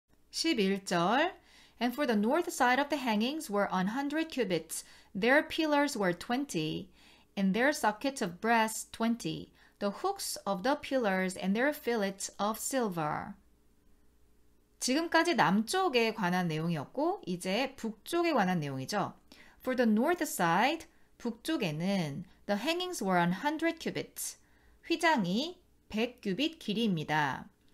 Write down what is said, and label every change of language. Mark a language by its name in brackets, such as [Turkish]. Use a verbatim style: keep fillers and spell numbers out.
[Korean] 십일 절 [English] And for the north side of the hangings were an hundred cubits. Their pillars were twenty, and their sockets of brass twenty. The hooks of the pillars and their fillets of silver. [Korean] 지금까지 남쪽에 관한 내용이었고 이제 북쪽에 관한 내용이죠. [English] For the north side, [Korean] 북쪽에는 [English] the hangings were an hundred cubits. [Korean] 휘장이 백 규빗 길이입니다.